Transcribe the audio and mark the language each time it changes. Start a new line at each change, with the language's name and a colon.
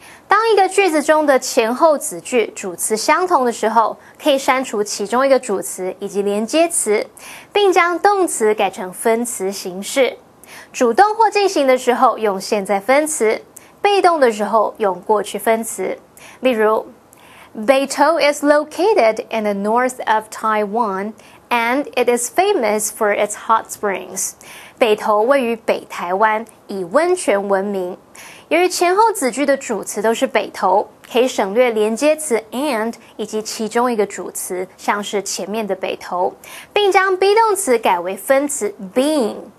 Chinese: 当一个句子中的前后子句主词相同的时候，可以删除其中一个主词以及连接词，并将动词改成分词形式。主动或进行的时候用现在分词，被动的时候用过去分词。例如
English: Beitou is located in the north of Taiwan and it is famous for its hot springs.
Chinese: 北投位于北台湾，以温泉闻名。由于前后子句的主词都是北投，可以省略连接词 and 以及其中一个主词，像是前面的北投，并将 be 动词改为分词 being。